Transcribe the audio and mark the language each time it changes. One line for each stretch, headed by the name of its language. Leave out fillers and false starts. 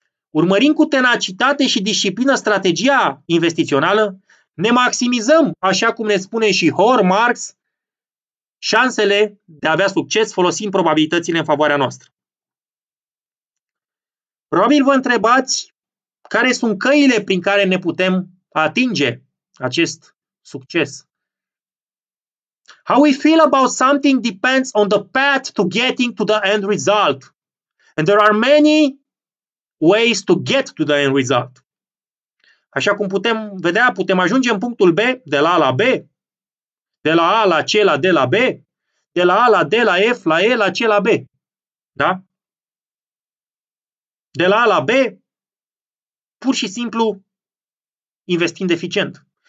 Romanian: Urmărim cu tenacitate și disciplină strategia investițională, ne maximizăm, așa cum ne spune și Hor Marx, șansele de a avea succes folosind probabilitățile în favoarea noastră. Probabil vă întrebați care sunt căile prin care ne putem atinge acest succes.
English: How we feel about something depends on the path to getting to the end result. And there are many ways to get to the end result.
Romanian: Așa cum putem vedea, putem ajunge în punctul B de la A la B, de la A la C la D la B, de la A la D la F la E la C la B. Da? De la A la B, pur și simplu investind eficient.